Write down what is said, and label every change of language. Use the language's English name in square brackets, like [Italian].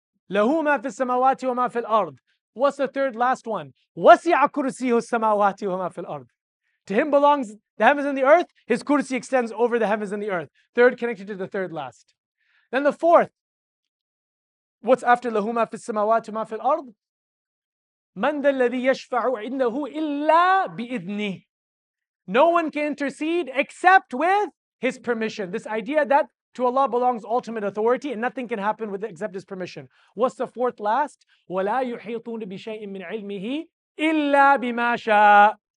[Arabic] له ما في السماوات وما في الأرض. [English] What's the third last one? [Arabic] وسع كرسيه السماوات وما في الأرض. [English] To him belongs the heavens and the earth. His kursi extends over the heavens and the earth. Third connected to the third last. Then the fourth, what's after [Arabic] له ما في السماوات وما في الأرض? مَنْ الَّذِي يَشْفَعُ عِنَّهُ إِلَّا بِإِذْنِهِ. [English] No one can intercede except with his permission. This idea that to Allah belongs ultimate authority and nothing can happen with it except his permission. What's the fourth last? [Arabic] وَلَا يُحِيطُونَ بِشَيْءٍ مِّنْ عِلْمِهِ إِلَّا بِمَا شَاءَ.